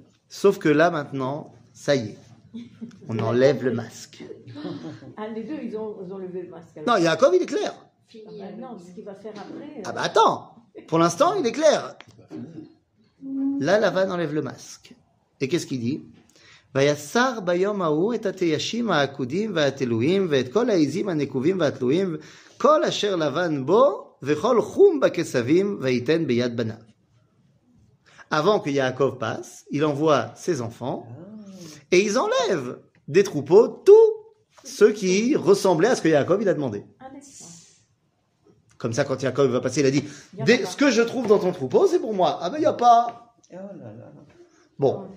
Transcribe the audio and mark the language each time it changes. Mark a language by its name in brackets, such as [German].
[French] Sauf que là maintenant, ça y est. On enlève le masque. Ah, les deux, ils ont levé le masque. Alors. Non, Yaakov, il est clair. Fini. Ah bah non, ce qu'il va faire après. Ah bah attends, pour l'instant, il est clair. Là, Lavan enlève le masque. Et qu'est-ce qu'il dit ? [Hebrew] ויסר ביום ההוא את התיישים העקודים והתלויים ואת כל העיזים הנקובים והתלויים כל אשר לבן בו וכל חום בכסבים ויתן ביד בניו. [French] Avant que Yaakov passe, il envoie ses enfants et ils enlèvent des troupeaux tout ce qui ressemblait à ce que Yaakov il a demandé. Comme ça, quand Yaakov va passer, il a dit ce que je trouve dans ton troupeau, c'est pour moi. Ah ben, il n'y a pas. Bon,